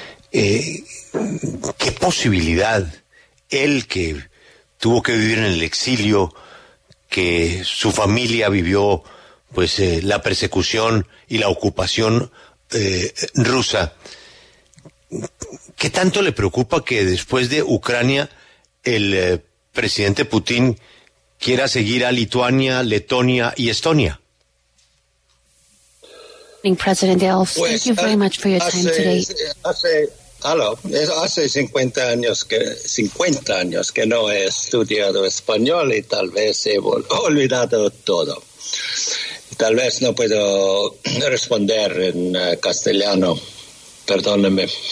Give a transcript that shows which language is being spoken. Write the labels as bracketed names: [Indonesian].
[Spanish] ¿Qué posibilidad él, que tuvo que vivir en el exilio, que su familia vivió pues la persecución y la ocupación rusa, qué tanto le preocupa que después de Ucrania el presidente Putin quiera seguir a Lituania, Letonia y Estonia? [English] President Elf, pues, thank you very much for your time today. [Spanish] Hace 50 años que no he estudiado español y tal vez he olvidado todo. Tal vez no puedo responder en castellano. Perdóneme.